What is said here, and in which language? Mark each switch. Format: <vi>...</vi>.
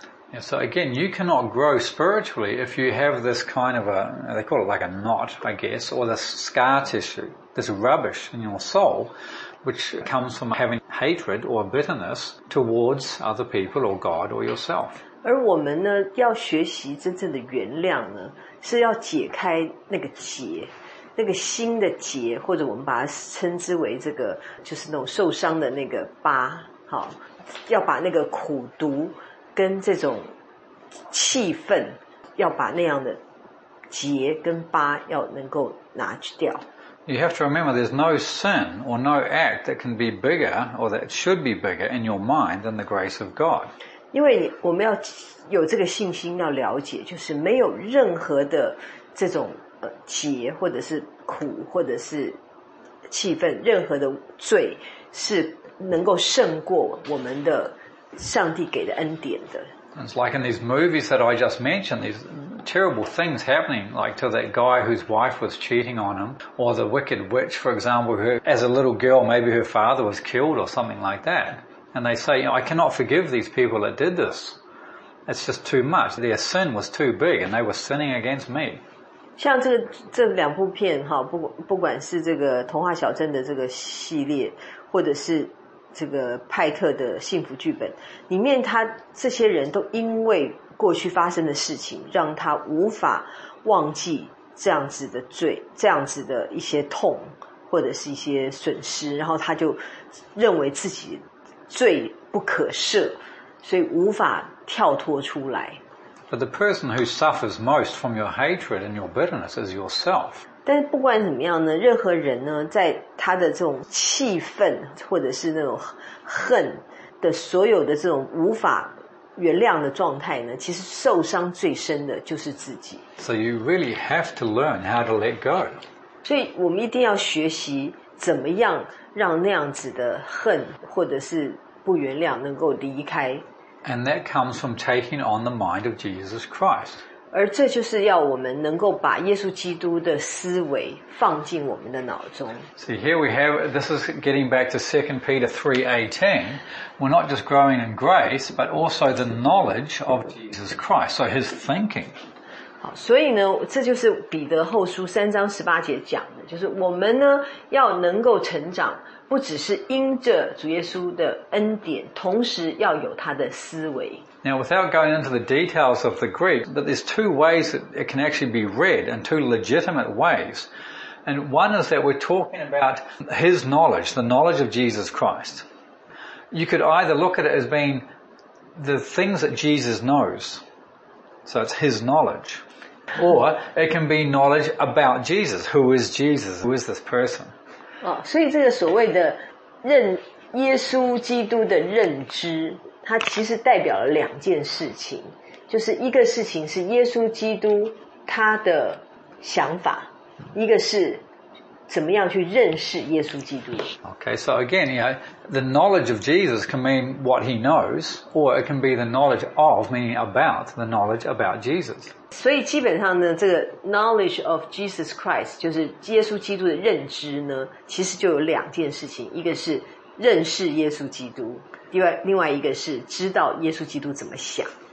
<en>Yeah, so again, you cannot grow spiritually if you have this kind of they call it like a knot, I guess, or this scar tissue, this rubbish in your soul. Which comes from having hatred or bitterness towards other people or God or yourself.</en> <zh>而我们呢，要学习真正的原谅呢，是要解开那个结，那个心的结，或者我们把它称之为这个，就是那种受伤的那个疤。好，要把那个苦毒跟这种气愤，要把那样的结跟疤要能够拿去掉。</zh> <en>You have to remember there's no sin or no act that can be bigger or that should be bigger in your mind than the grace of God.</en> <zh>因为我们要有这个信心要了解，就是没有任何的这种结或者是苦或者是气愤，任何的罪是能够胜过我们的上帝给的恩典的。</zh> <en>It's like in these movies that I just mentioned, these terrible things happening, like to that guy whose wife was cheating on him, or the wicked witch, for example, who, as a little girl, maybe her father was killed or something like that. And they say, you know, I cannot forgive these people that did this. It's just too much. Their sin was too big, and they were sinning against me.</en> <zh>像这两部片，不管是这个童话小镇的这个系列，或者是这个派特的幸福剧本里面，他这些人都因为过去发生的事情让他无法忘记这样子的罪，这样子的一些痛或者是一些损失，然后他就认为自己罪不可赦，所以无法跳脱出来。</zh> <en>But the person who suffers most from your hatred and your bitterness is yourself.</en> <zh>但不管怎么样呢，任何人呢，在他的这种气愤或者是那种恨的所有的这种无法原谅的状态呢，其实受伤最深的就是自己。</zh> <en>So you really have to learn how to let go.</en> <zh>所以我们一定要学习怎么样让那样子的恨或者是不原谅能够离开。</zh> <en>And that comes from taking on the mind of Jesus Christ.</en> <zh>而这就是要我们能够把耶稣基督的思维放进我们的脑中。</zh> <en>See, here we have, this is getting back to 2 Peter 3:18. We're not just growing in grace, but also the knowledge of Jesus Christ, so his thinking.</en> <zh>好，所以呢，这就是彼得后书三章十八节讲的，就是我们呢，要能够成长，不只是因着主耶稣的恩典，同时要有他的思维。</zh> <en>Now, without going into the details of the Greek, but there's two ways that it can actually be read, and two legitimate ways. And one is that we're talking about his knowledge, the knowledge of Jesus Christ. You could either look at it as being the things that Jesus knows, so it's his knowledge. Or it can be knowledge about Jesus, who is this person. Oh, so this is</en> <zh>所谓的认耶稣基督的认知。它其实代表了两件事情，就是一个事情是耶稣基督他的想法，一个是怎么样去认识耶稣基督。</zh> <en>Okay, so again, you know, the knowledge of Jesus can mean what he knows, or it can be the knowledge of, meaning about, the knowledge about Jesus.</en> <zh>所以基本上呢，这个</zh> <en>knowledge of Jesus Christ,</en> <zh>就是耶稣基督的认知呢，其实就有两件事情，一个是认识耶稣基督。另外一个是知道耶稣基督怎么想。</zh>